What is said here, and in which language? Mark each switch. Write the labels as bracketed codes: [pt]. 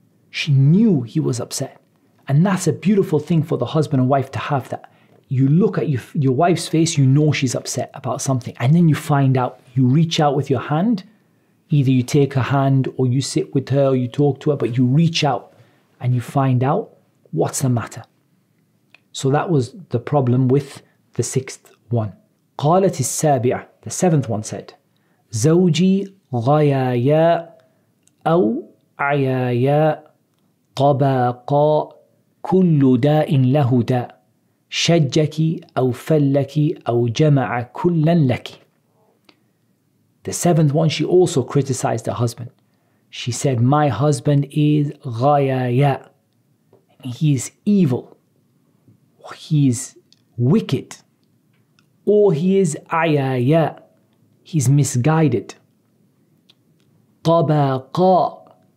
[en] She knew he was upset. And that's a beautiful thing for the husband and wife to have, that you look at your wife's face, you know she's upset about something. And then you find out, you reach out with your hand. Either you take her hand or you sit with her or you talk to her, but you reach out and you find out what's the matter. So that was the problem with the sixth one. [ar] قالت السابعة, [en] the seventh one said, [ar] زوجي غيايا أو عيايا طباقا كل داء له داء شجك أو فلك أو جمع كلا لك. [en] The seventh one, she also criticized her husband. She said, my husband is غيايا. He is evil. He is wicked. Or he is عيايا. He's misguided. طباقا.